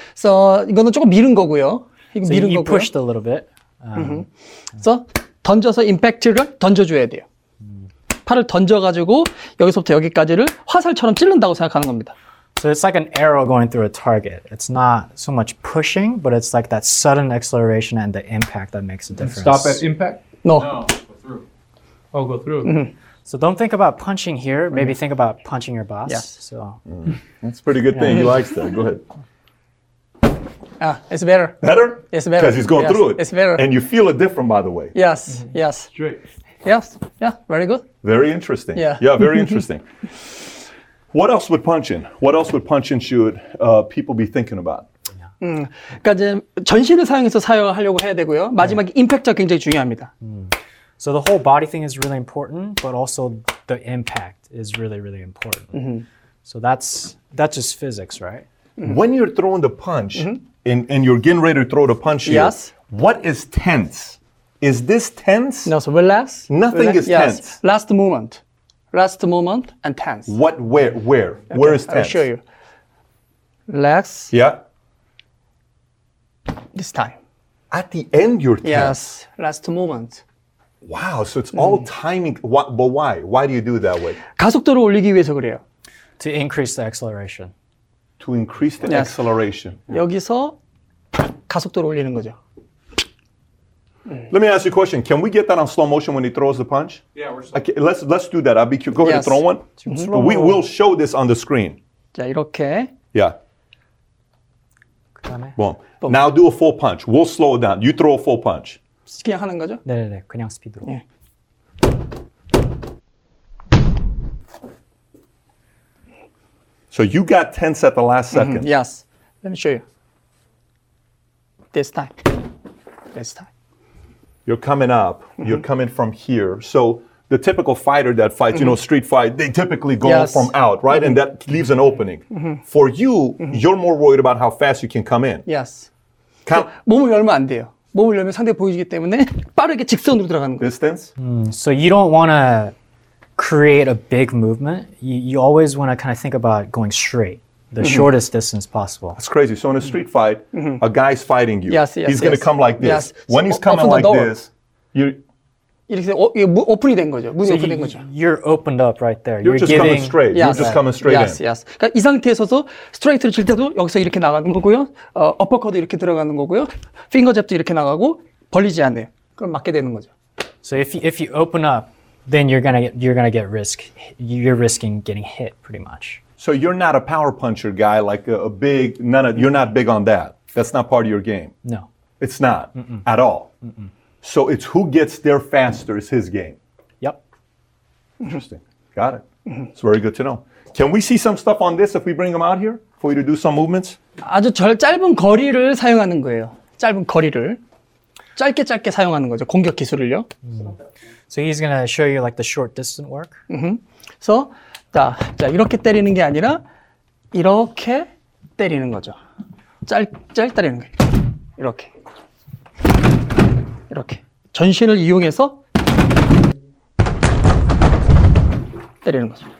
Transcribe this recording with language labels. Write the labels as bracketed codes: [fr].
[ko] So, 이거는 조금 미룬 거고요. 이거 so 미룬 you 거고요. [en] Pushed a little bit. Mm-hmm. [ko] So, 던져서 임팩트를 던져줘야 돼요. 팔을 던져가지고 여기서부터 여기까지를 화살처럼 찌른다고 생각하는 겁니다. [en] So it's like an arrow going through a target. It's not so much pushing, but it's like that sudden acceleration and the impact that makes a difference. Stop at impact? No. Go through. Oh, go through. Mm-hmm. So don't think about punching here. Maybe mm-hmm. think about punching your boss. Yes. So. Mm. That's a pretty good thing. Yeah. He likes that. Go ahead. It's better. Better? It's better. Because he's going through it. It's better. And you feel it different, by the way. Yes, mm-hmm. yes. Straight. Yes, yeah, very good. Very interesting. Yeah, very interesting. What else would punching? What else would punching should people be thinking about? Yeah. [ko] 그러니까 이제 전신을 사용해서 사용하려고 해야 되고요. 마지막에 임팩트가 굉장히 중요합니다. [en] So the whole body thing is really important, but also the impact is really, really important. Mm-hmm. So that's just physics, right? Mm-hmm. When you're throwing the punch, mm-hmm. and you're getting ready to throw the punch here. Yes. What is tense? Is this tense? No, so relax. Nothing relax. Is yes. tense. Last moment and tense. What, where? Okay. Where is tense? I'll show you. Relax. Yeah. This time. At the end, you're tense. Yes, last moment. Wow, so it's all timing. What, but why? Why do you do it that way? [ko] 가속도를 올리기 위해서 그래요. [en] To increase the acceleration. To increase the yes. acceleration. [ko] 여기서 가속도를 올리는 거죠. [en] Let me ask you a question. Can we get that on slow motion when he throws the punch? Yeah, we're slow. Okay, let's do that. I'll be curious. Go ahead and throw one. Mm-hmm. We will show this on the screen. [ko] 자, 이렇게. [en] Yeah. [ko] 그다음에. [en] Boom. Boom. Now do a full punch. We'll slow it down. You throw a full punch. [ko] 그냥 하는 거죠? 네네네. 그냥 스피드로. 예. 네. [en] So you got tense at the last second. Mm-hmm. Yes. Let me show you. This time. You're coming up. Mm-hmm. You're coming from here. So the typical fighter that fights, mm-hmm. you know, street fight, they typically go yes. from out, right? Mm-hmm. And that leaves an opening. Mm-hmm. For you, mm-hmm. you're more worried about how fast you can come in. [ko] Yes. 몸을 열면 안 돼요. 몸을 열면 상대 보여주기 때문에 빠르게 직선으로 들어가는 거예요. [en] Distance? So you don't want to create a big movement. You always want to kind of think about going straight. The mm-hmm. shortest distance possible. That's crazy. So in a street fight, mm-hmm. a guy's fighting you. Yes, yes, he's going to come like this. Yes. When he's coming like this, you're opened up right there. You're just coming straight. Yes, you're just coming straight yes, in. Yes, yes. [ko] 이 상태에서도 스트레이트를 칠 때도 여기서 이렇게 나가는 거고요. 어퍼컷도 이렇게 들어가는 거고요. 핑거잽도 이렇게 나가고 벌리지 않네요. 그걸 맞게 되는 거죠. [en] So if you open up, then you're gonna get risk. You're risking getting hit pretty much. So you're not a power puncher guy, like a big, none of, you're not big on that. That's not part of your game. No. It's not Mm-mm. at all. Mm-mm. So it's who gets there faster is his game. Yep. Interesting. Got it. It's very good to know. Can we see some stuff on this if we bring him out here for you to do some movements? [ko] 아주 짧은 거리를 사용하는 거예요. 짧은 거리를. 짧게 사용하는 거죠, 공격 기술을요. [en] So he's going to show you like the short distance work. Mm-hmm. So... [ko] 자, 이렇게 때리는 게 아니라 이렇게 때리는 거죠. 짧게 때리는 거예요. 이렇게. 전신을 이용해서 때리는 거죠.